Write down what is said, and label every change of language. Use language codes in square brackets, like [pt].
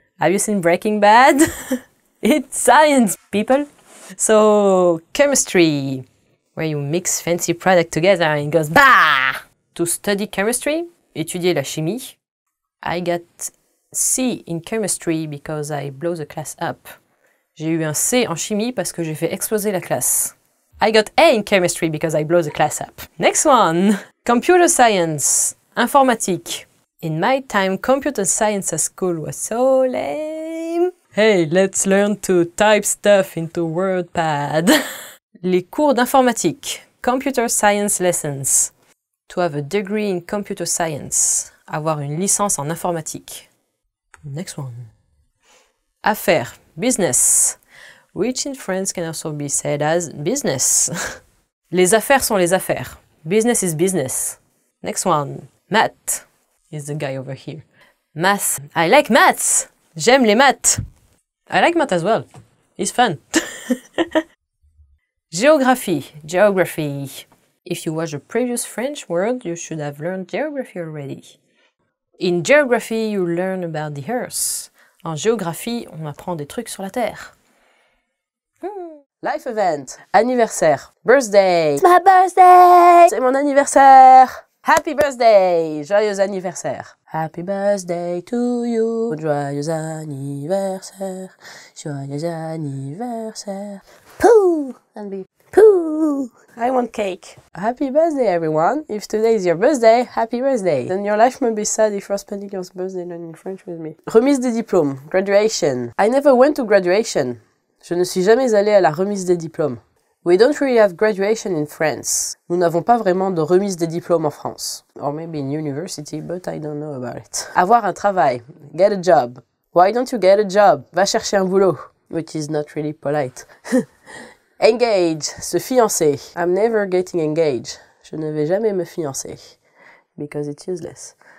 [en] Have you seen Breaking Bad? It's science, people. So, chemistry. Where you mix fancy product together and it goes bah! To study chemistry, [fr] étudier la chimie. [en] I got C in chemistry because I blow the class up. [fr] J'ai eu un C en chimie parce que j'ai fait exploser la classe. [en] I got A in chemistry because I blow the class up. Next one! Computer science. Informatique. In my time, computer science at school was so lame. Hey, let's learn to type stuff into WordPad. [fr] Les cours d'informatique. [en] Computer science lessons. To have a degree in computer science. [fr] Avoir une licence en informatique. [en] Next one. Affaires. Business. Which in French can also be said as business. [fr] Les affaires sont les affaires. [en] Business is business. Next one. Math. Is the guy over here. Math. I like maths. [fr] J'aime les maths. [en] I like math as well. It's fun. Geography. Geography. If you watch a previous French word, you should have learned geography already. In geography, you learn about the earth. [fr] En géographie, on apprend des trucs sur la terre. [en] Life event. Anniversaire. Birthday. It's my birthday. [fr] C'est mon anniversaire. [en] Happy birthday. [fr] Joyeux anniversaire. [en] Happy birthday to you. [fr] Joyeux anniversaire. Joyeux anniversaire. Pooh. [en] And be pooh. I want cake. Happy birthday, everyone. If today is your birthday, happy birthday. Then your life may be sad if you're spending your birthday learning French with me. [fr] Remise des diplômes. [en] Graduation. I never went to graduation. [fr] Je ne suis jamais allée à la remise des diplômes. [en] We don't really have graduation in France. [fr] Nous n'avons pas vraiment de remise des diplômes en France. [en] Or maybe in university, but I don't know about it. Avoir un travail. Get a job. Why don't you get a job? [fr] Va chercher un boulot. [en] Which is not really polite. Engage. Se fiancer. I'm never getting engaged. [fr] Je ne vais jamais me fiancer. [en] Because it's useless.